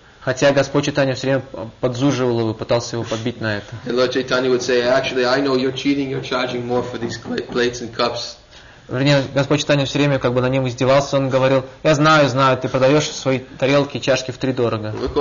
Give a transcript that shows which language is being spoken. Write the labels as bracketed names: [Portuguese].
[Russian] Хотя Господь Чайтанья все время подзуживал его, пытался его подбить на это. [English] And Lord Chaitanya would say, actually, I know you're cheating, you're charging more for these plates and cups. [Russian] Вернее, Господь Чайтанья все время как бы на нем издевался, он говорил, я знаю, ты продаешь свои тарелки и чашки втридорога.